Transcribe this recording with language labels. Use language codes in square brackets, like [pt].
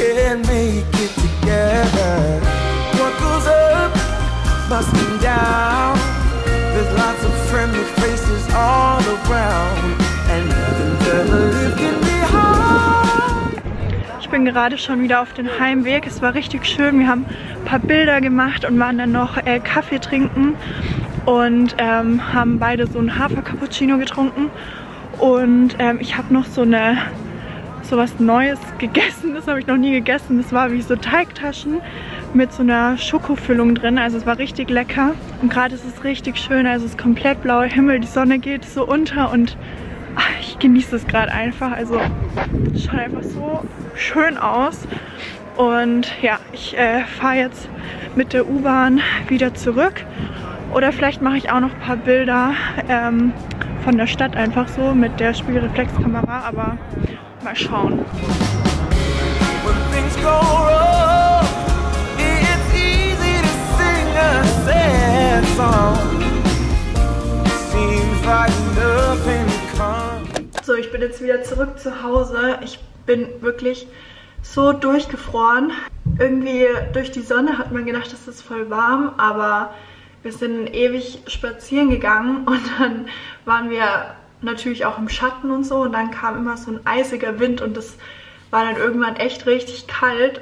[en] Make it together. What goes up must come down. lots of friendly faces all around. And even though life can be hard. [de] Ich bin gerade schon wieder auf dem Heimweg. Es war richtig schön. Wir haben ein paar Bilder gemacht und waren dann noch Kaffee trinken. Und haben beide so einen Hafer-Cappuccino getrunken. Und ich habe noch so eine. So was Neues gegessen, das habe ich noch nie gegessen. Das war wie so Teigtaschen mit so einer Schokofüllung drin. Also es war richtig lecker. Und gerade ist es richtig schön. Also es ist komplett blauer Himmel. Die Sonne geht so unter und ach, ich genieße es gerade einfach. Also es schaut einfach so schön aus. Und ja, ich fahre jetzt mit der U-Bahn wieder zurück. Oder vielleicht mache ich auch noch ein paar Bilder von der Stadt einfach so mit der Spiegelreflexkamera. Aber mal schauen. [en] When things go wrong, it's easy to sing a sad song. Seems like nothing comes. [de] So, ich bin jetzt wieder zurück zu Hause. Ich bin wirklich so durchgefroren. Irgendwie durch die Sonne hat man gedacht, es ist voll warm, aber wir sind ewig spazieren gegangen und dann waren wir natürlich auch im Schatten und so, und dann kam immer so ein eisiger Wind und es war dann irgendwann echt richtig kalt.